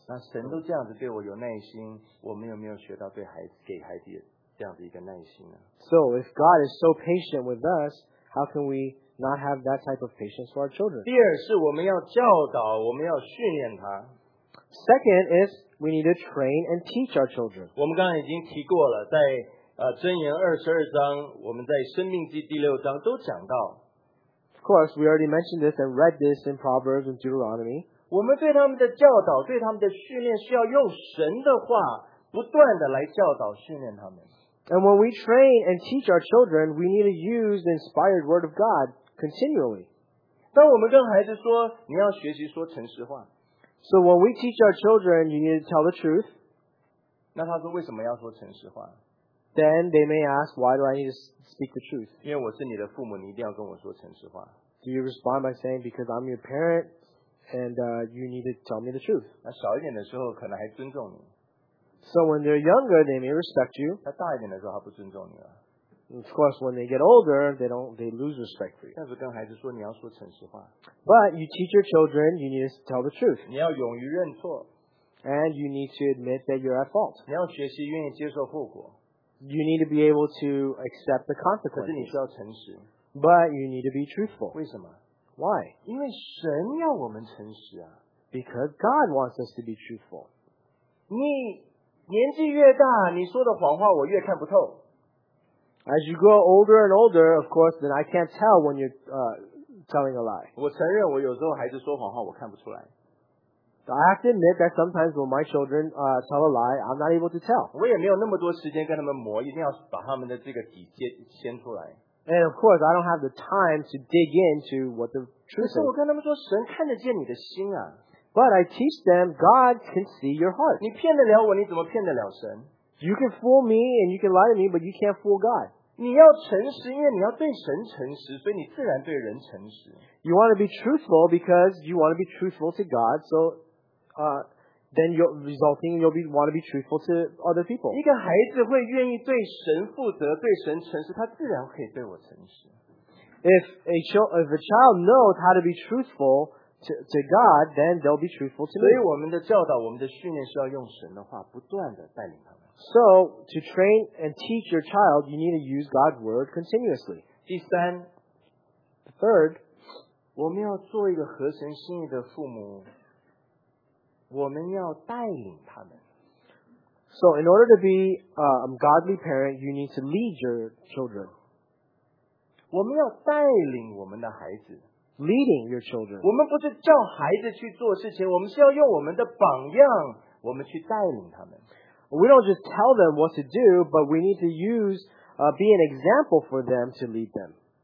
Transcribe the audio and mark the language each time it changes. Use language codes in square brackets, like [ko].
[zh] 那神都这样子对我有耐心, 我们有没有学到对孩子给孩子这样的一个耐心呢? [en] So if God is so patient with us, how can we not have that type of patience for our children? [zh] 第二是我们要教导, 我们要训练他。 [en] Second is we need to train and teach our children. [zh] 我们刚刚已经提过了, 在 箴言22章, 我们在生命记第六章都讲到, [en] of course, we already mentioned this and read this in Proverbs and Deuteronomy. [zh] 我们对他们的教导, 对他们的训练需要用神的话, 不断地来教导训练他们。 [en] And when we train and teach our children, we need to use the inspired word of God continually. [zh] 当我们跟孩子说, 你要学习说诚实话。 [en] So when we teach our children, you need to tell the truth. [zh] 那他说为什么要说诚实话? [en] Then they may ask, why do I need to speak the truth? [zh] 因为我是你的父母, 你一定要跟我说诚实话。 [en] Do you respond by saying, because I'm your parent, and you need to tell me the truth? [zh] 那小一点的时候, 可能还尊重你。 [en] So when they're younger, they may respect you. [zh] 那大一点的时候, 他不尊重你了。 [en] Of course, when they get older, they lose respect for you. [zh] 但是跟孩子说, 你要说诚实话。 [en] But you teach your children, you need to tell the truth. [zh] 你要勇于认错。 [en] And you need to admit that you're at fault. [zh] 你要学习愿意接受后果。 [en] You need to be able to accept the consequences. But you need to be truthful. [zh] 为什么? [en] Why? Because God wants us to be truthful. [zh] 你年纪越大, [en] as you grow older and older, of course, then I can't tell when you're telling a lie. [zh] 我承认我有时候孩子说谎话, [en] so I have to admit that sometimes when my children tell a lie, I'm not able to tell. [zh] 我也没有那么多时间跟他们磨, 一定要把他们的这个底揭先出来。 [en] And of course, I don't have the time to dig into what the truth is. [zh] 可是我跟他们说, 神看得见你的心啊。 [en] But I teach them, God can see your heart. [zh] 你骗得了我, 你怎么骗得了神? [en] You can fool me and you can lie to me, but you can't fool God. [zh] 你要诚实, 因为你要对神诚实, 所以你自然对人诚实。 [en] You want to be truthful because you want to be truthful to God, so then you're resulting you'll be want to be truthful to other people. [zh] 一个孩子会愿意对神负责, 对神诚实, 他自然可以对我诚实。 [en] If a child knows how to be truthful to God, then they'll be truthful to me. [zh] 所以我们的教导, 我们的训练是要用神的话, 不断地带领他们。 [en] So, to train and teach your child, you need to use God's word continuously. [zh] 第三, [en] third, [zh] 我们要做一个合神心意的父母, [en] So in order to be a godly parent, you need to lead your children. Leading your children. We don't just tell them what to do, but we need to use, be an example for them to lead them.